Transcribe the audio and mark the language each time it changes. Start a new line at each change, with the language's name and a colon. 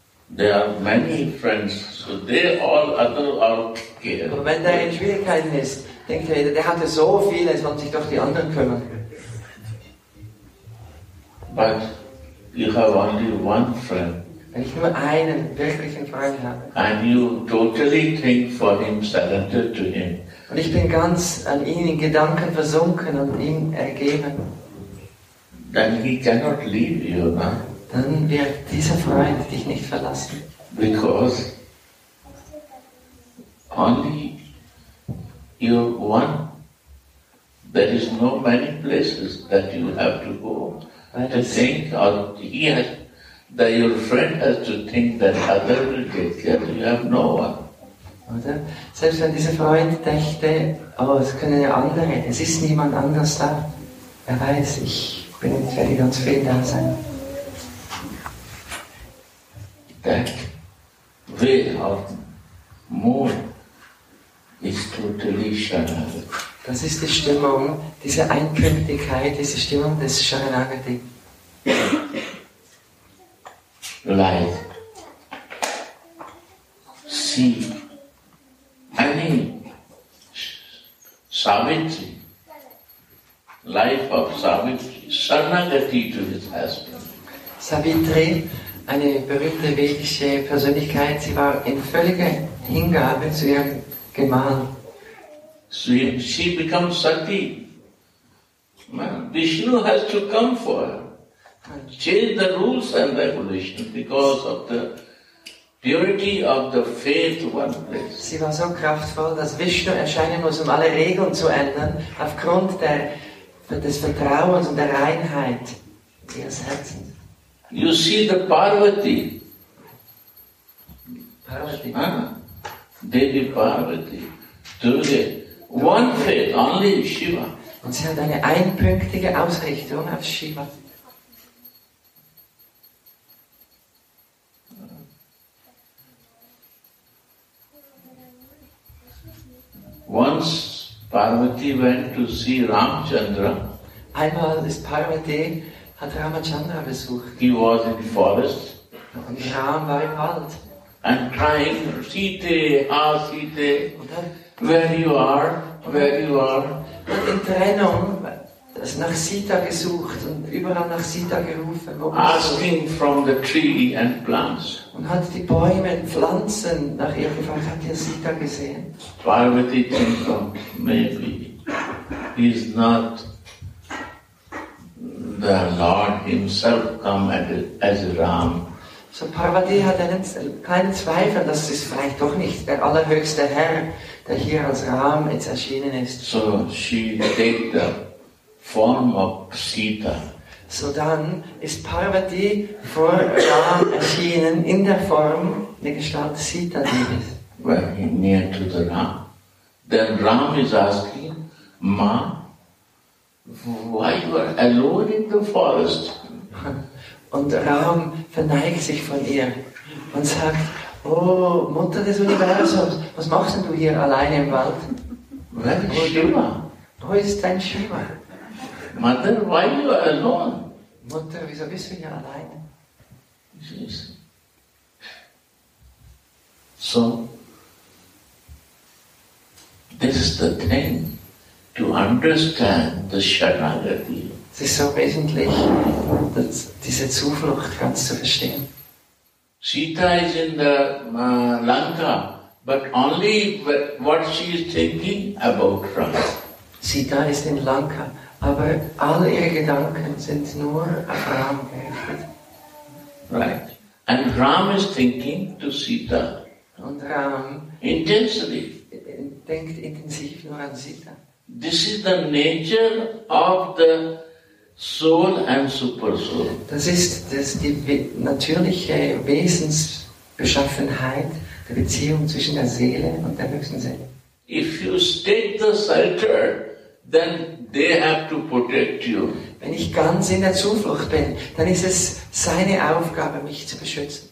English: There are many friends, so they all other are care.
German: Aber wenn der in Schwierigkeiten ist, denkt er, der hatte so viele, es wollen sich doch die anderen kümmern.
English: But you have only one friend.
German: Wenn ich nur einen wirklichen Freund habe.
English: And you totally think for him, surrendered to him.
German: Und ich bin ganz an ihn in Gedanken versunken und ihm ergeben.
English: Then he cannot leave you, huh?
German: Dann wird dieser Freund dich nicht verlassen.
English: Because only you one. There is no many places that you have to go. To think, or he has, that your friend has to think that other will take care, you have no one.
German: Oder? Selbst wenn dieser Freund dächte, oh, es können ja andere, es ist niemand anders da. Er weiß, ich werde ganz viel da sein.
English: That way of moon is totally Sharanagati.
German: Das ist die Stimmung, diese Einkünftigkeit, diese Stimmung des Sharanagati.
English: Like, see, any Savitri, life of Savitri, Sarnagati to his husband.
German: Savitri, eine berühmte vedische Persönlichkeit, sie war in völliger Hingabe zu ihrem Gemahl.
English: So she becomes Sati. Vishnu has to come for her. Change the rules and regulations because of the purity of the faith one place.
German: Sie war so kraftvoll, dass Vishnu erscheinen muss, um alle Regeln zu ändern, aufgrund des Vertrauens und der Reinheit ihres Herzens.
English: You see the Parvati.
German: Parvati.
English: Devi Parvati. Durga. One faith, only in Shiva.
German: Und sie hat eine einpünktige Ausrichtung auf Shiva.
English: Once Parvati went to see Ramchandra.
German: Einmal ist Parvati, hat Ramachandra besucht.
English: He was in the forest.
German: Und Ram war im Wald.
English: And crying, Sita, ah Sita, where you are.
German: Und hat in Trennung nach Sita gesucht und überall nach Sita gerufen. Wo
English: asking
German: du?
English: From the tree and plants.
German: Und hat die Bäume und Pflanzen nach ihr gefragt, hat ihr Sita gesehen.
English: Parvati thinks maybe he's not the Lord himself come as Ram.
German: So Parvati hat einen kleinen Zweifel, das ist vielleicht doch nicht der allerhöchste Herr, der hier als Ram jetzt erschienen ist.
English: So she takes the form of Sita.
German: So dann ist Parvati vor Ram erschienen in der Form der Gestalt Sita.
English: Well, near to the Ram. Then Ram is asking, Ma, why you are alone in the forest?
German: Und Ram verneigt sich von ihr und sagt, oh, Mutter des Universums, was machst denn du hier alleine im Wald?
English: Where is Shiva?
German: Wo ist dein Shiva?
English: Mother, why you are alone?
German: Mutter, wieso bist du hier allein?
English: So, this is the thing to understand the Sharanagati.
German: Es ist so wesentlich, dass diese Zuflucht ganz zu verstehen.
English: Sita is in the Lanka, but only what she is thinking about Ram.
German: Sita ist in Lanka, aber alle ihre Gedanken sind nur auf Ram gerichtet.
English: Right. And Ram is thinking to Sita.
German: Und Ram
English: intensely.
German: Denkt intensiv nur an Sita.
English: This is the nature of the Soul and Super Soul.
German: Das ist die natürliche Wesensbeschaffenheit der Beziehung zwischen der Seele und der höchsten Seele.
English: If you take the shelter, then they have to protect you.
German: Wenn ich ganz in der Zuflucht bin, dann ist es seine Aufgabe, mich zu beschützen.